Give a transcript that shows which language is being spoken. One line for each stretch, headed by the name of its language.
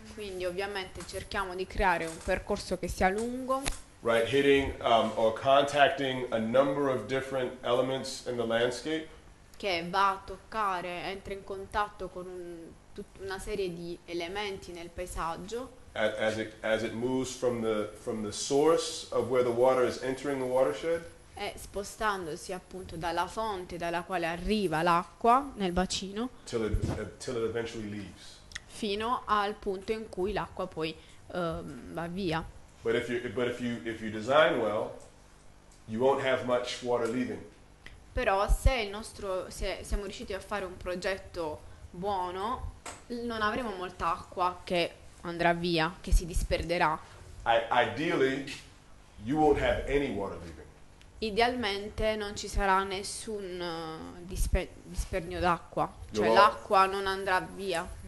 Italian: Quindi ovviamente cerchiamo di creare un percorso che sia lungo.
English: Right, hitting or contacting a number of different elements in the landscape.
Italian: Che va a toccare, entra in contatto con una serie di elementi nel paesaggio.
English: As it moves from the source of where the water is entering the watershed.
Italian: E spostandosi appunto dalla fonte dalla quale arriva l'acqua nel bacino.
English: Till it eventually leaves.
Italian: Fino al punto in cui l'acqua poi va via.
English: But if you design well, you won't have much water leaving.
Italian: Però se il nostro se siamo riusciti a fare un progetto buono, non avremo molta acqua che andrà via, che si disperderà.
English: Ideally, you won't have any water leaving.
Italian: Idealmente non ci sarà nessun dispernio d'acqua, cioè l'acqua non andrà via.